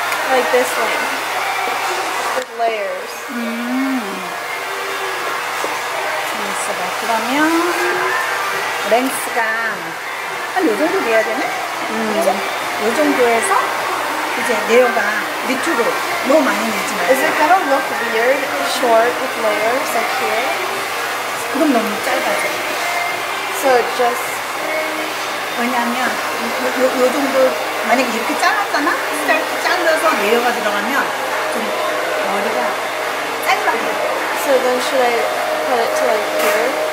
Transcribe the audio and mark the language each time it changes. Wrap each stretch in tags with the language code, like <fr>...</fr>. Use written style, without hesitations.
<en>Like this one. With layers.</en> <ko>재밌어 봐. 그러면 랭스가 한 요 정도 돼야 되네? 요 정도에서 이제 내려가 밑쪽으로 너무 많이 내지 마.</ko> <en>Is it gonna look weird short with layers like here?</en> <ko>그럼 너무 짧아져.</ko> <en>So just</en> <ko>왜냐면 요 정도 만약에 이렇게 잘랐잖아? 이렇게 잘라서 내려가 들어가면 좀 머리가 짧아져.</ko> <en>So then should I cut it to like here?</en>